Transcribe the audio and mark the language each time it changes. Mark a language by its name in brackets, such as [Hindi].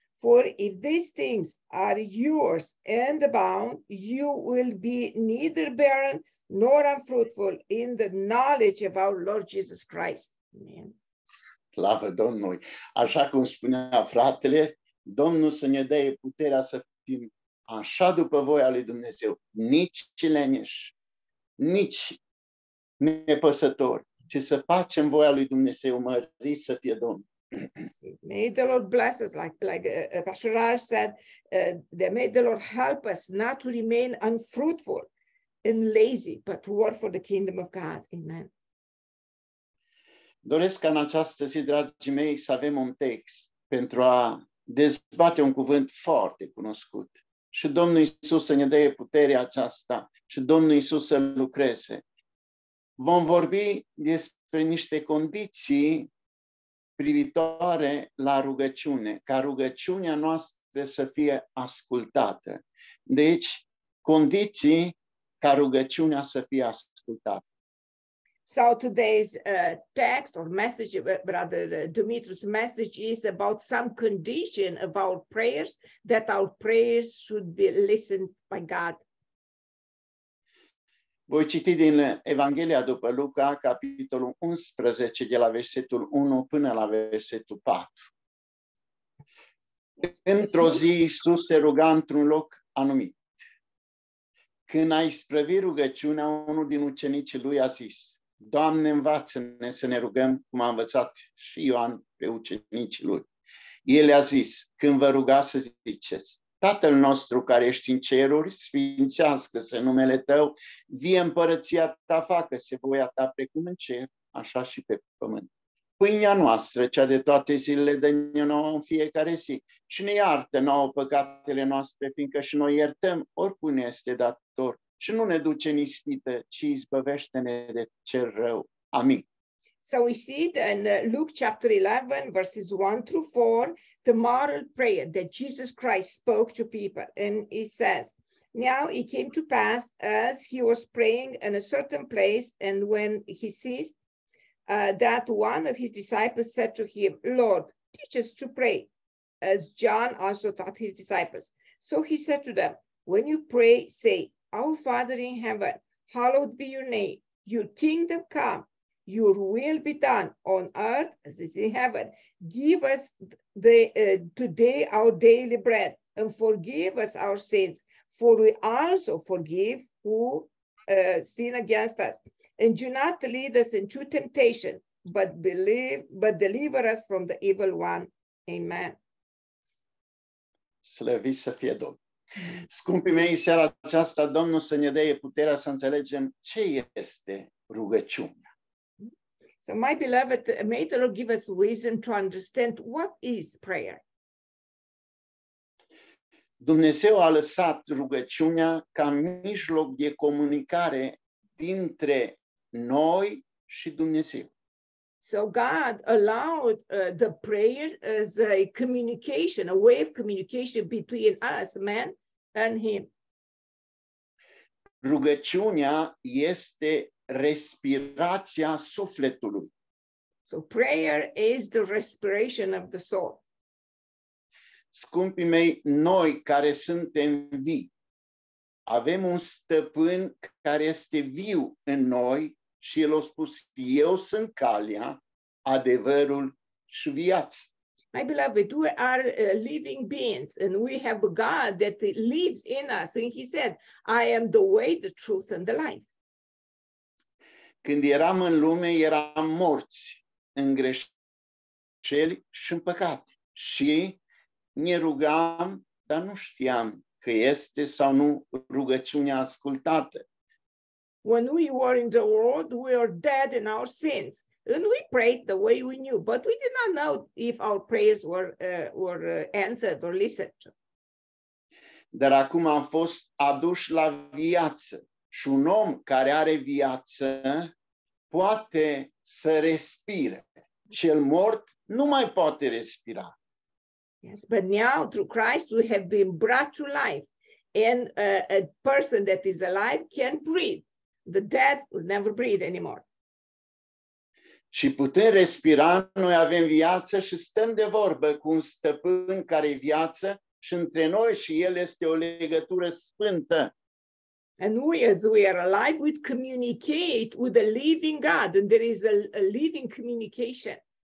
[English] For if these things are yours and abound, you will be neither barren nor unfruitful in the knowledge of our Lord Jesus Christ." Amen. [Romanian] Slavă Domnului! Așa cum spunea fratele, Domnul să ne dea puterea să fim așa după voia lui Dumnezeu, nici leneși, nici nepăsător, ci să facem voia lui Dumnezeu, mărit să fie Domnul. [English] May the Lord bless us, like Pastor Raj said, may the Lord help us not to remain unfruitful and lazy, but to work for the kingdom of God. Amen. [Romanian] Doresc ca în această zi, dragii mei, să avem un text pentru a dezbate un cuvânt foarte cunoscut și Domnul Iisus să ne dea puterea aceasta și Domnul Iisus să lucreze. Vom vorbi despre niște condiții privitoare la rugăciune, ca rugăciunea noastră să fie ascultată. Deci, condiții ca rugăciunea să fie ascultată. [English] So today's text or message, rather Dumitru's message, is about some condition of our prayers, that our prayers should be listened by God. [Romanian] Voi citi din Evanghelia după Luca, capitolul 11, de la versetul 1 până la versetul 4. Într-o zi, Iisus se ruga într-un loc anumit. Când a isprăvit rugăciunea, unul din ucenicii lui a zis: Doamne, învață-ne să ne rugăm, cum a învățat și Ioan pe ucenicii lui. El a zis: când vă rugați să ziceți: Tatăl nostru care ești în ceruri, sfințească-se numele tău, vie împărăția ta, facă-se voia ta precum în cer, așa și pe pământ. Pâinea noastră, cea de toate zilele, dă-ne nouă în fiecare zi și ne iartă nouă păcatele noastre, fiindcă și noi iertăm oricune este dator. Și nu ne duce în ispită, ci izbăvește-ne de cel rău. Amin. [English] So we see it in Luke chapter 11, verses 1 through 4, the model prayer that Jesus Christ spoke to people. And he says, now it came to pass as he was praying in a certain place, and when he sees that one of his disciples said to him, Lord, teach us to pray, as John also taught his disciples. So he said to them, when you pray, say, Our Father in heaven, hallowed be your name. Your kingdom come. Your will be done on earth as it is in heaven. Give us today our daily bread and forgive us our sins. For we also forgive who sin against us. And do not lead us into temptation, but deliver us from the evil one. Amen. [Romanian] Slăvi să fie Domn. Scumpii mei, seara aceasta, Domnul să ne dea puterea să înțelegem ce este rugăciunea. [English] So, my beloved, may the Lord give us wisdom to understand what is prayer. [Romanian] Dumnezeu a lăsat rugăciunea ca mijloc de comunicare dintre noi și Dumnezeu. [English] So God allowed the prayer as a communication, a way of communication between us, man, and him. [Romanian] Rugăciunea este respirația sufletului. [English] So prayer is the respiration of the soul. [Romanian] Scumpii mei, noi care suntem vii, avem un stăpân care este viu în noi și el a spus, eu sunt calea, adevărul și viața. [English] My beloved, we are living beings and we have a God that lives in us. And he said, I am the way, the truth and the life. [Romanian] Când eram în lume, eram morți în greșeli și în păcate. Și ne rugam, dar nu știam că este sau nu rugăciunea ascultată. [English] When we were in the world, we were dead in our sins. And we prayed the way we knew, but we did not know if our prayers were answered or listened to. [Romanian] Dar acum am fost aduși la viață și un om care are viață poate să respire. Cel mort nu mai poate respira. [English] Yes, but now through Christ we have been brought to life and a person that is alive can breathe. The dead will never breathe anymore. [Romanian] Și putem respira, noi avem viață și stăm de vorbă cu un stăpân care e viață și între noi și el este o legătură sfântă. [English] And we, as we are alive, we communicate with the living God and there is a living communication.